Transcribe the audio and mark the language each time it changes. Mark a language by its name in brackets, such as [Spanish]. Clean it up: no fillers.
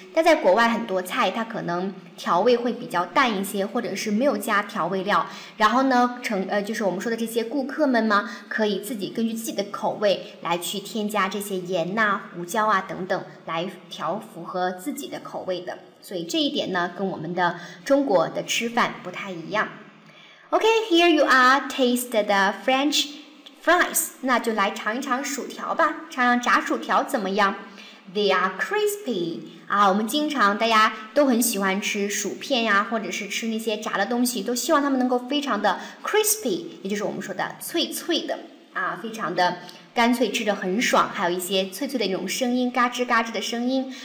[Chinese] 但在国外很多菜它可能调味会比较淡一些，或者是没有加调味料，然后呢就是我们说的这些顾客们嘛，可以自己根据自己的口味来去添加这些盐呐、胡椒啊等等，来调符合自己的口味的。所以这一点呢跟我们的中国的吃饭不太一样。 [English] Okay, here you are, taste the French fries. [Chinese] 那就来尝一尝薯条吧，尝尝炸薯条怎么样。 [English] They are crispy. [Chinese] 啊，我们经常大家都很喜欢吃薯片呀，或者是吃那些炸的东西，都希望它们能够非常的 crispy, 也就是我们说的脆脆的。啊，非常的干脆，吃得很爽，还有一些脆脆的那种声音，嘎吱嘎吱的声音。